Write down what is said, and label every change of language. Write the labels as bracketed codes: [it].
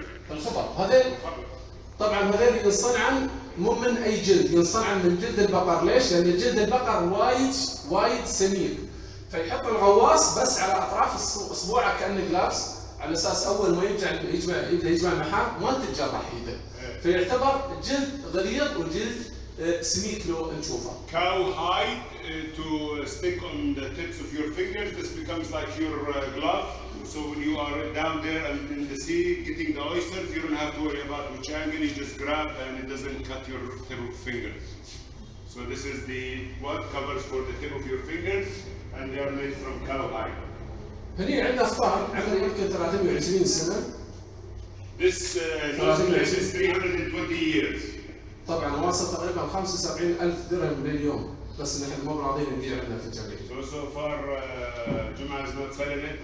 [ar] الخبر هذيل طبعا هذيل ينصنع مو من اي جلد ينصنع من جلد البقر ليش؟ لان جلد البقر وايد وايد سمين فيحط الغواص بس على اطراف اصبعه كانه جلابس على اساس اول ما يجمع محاه ما تتجرح ايده فيعتبر جلد غليظ وجلد سميك لو نشوفه. [en] Cow hide to stick on the tips of your fingers. This becomes like your glove. So when you are down there and in the sea getting the oysters, you don't have to worry about which angle. You just grab and it doesn't cut your fingers. So this is the what covers for the tip of your fingers, and they are made from cow hide. [ar] هني عندنا أخبار عمر يمكن 320 سنة. [en] This this is 320 years. [ar] طبعا واصل تقريبا 75,000 درهم لليوم بس نحن مو راضيين نبيع عندنا في الجبل. [en] So far جمعه is not selling it.